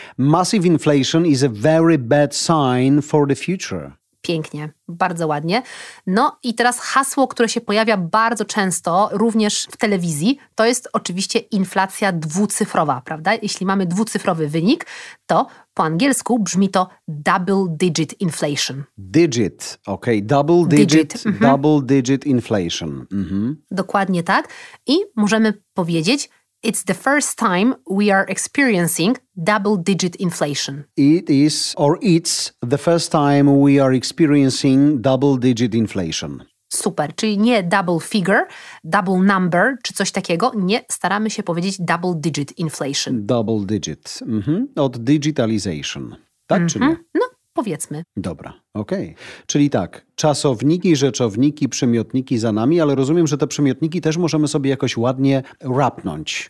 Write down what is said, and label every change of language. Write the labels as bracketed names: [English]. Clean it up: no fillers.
[English] Massive inflation is a very bad sign for the future. [Polish] Pięknie, bardzo ładnie. No i teraz hasło, które się pojawia bardzo często, również w telewizji, to jest oczywiście inflacja dwucyfrowa, prawda? Jeśli mamy dwucyfrowy wynik, to po angielsku brzmi to [English] double digit inflation. Digit, okej, okay. Double digit, double digit inflation. Mm-hmm. [Polish] Dokładnie tak. I możemy powiedzieć... [English] It's the first time we are experiencing double-digit inflation. It is, or it's the first time we are experiencing double-digit inflation. [Polish] Super, czyli nie [English] double figure, double number, [Polish] czy coś takiego. Nie, staramy się powiedzieć [English] double-digit inflation. [Polish] Double-digit, od digitalization, tak czy nie? No, powiedzmy. Dobra, okej. Okay. Czyli tak, czasowniki, rzeczowniki, przymiotniki za nami, ale rozumiem, że te przymiotniki też możemy sobie jakoś ładnie rapnąć.